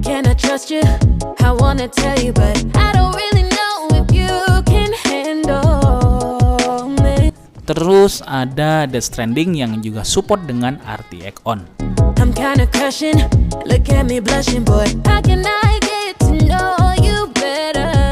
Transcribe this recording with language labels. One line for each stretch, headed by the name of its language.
English: I wanna tell you, but I don't really know if you can handle it.
Indonesian: Terus ada Death Stranding yang juga support dengan RTX on.
English: I'm kinda crushing, look at me blushing, boy. How can I get to know you better?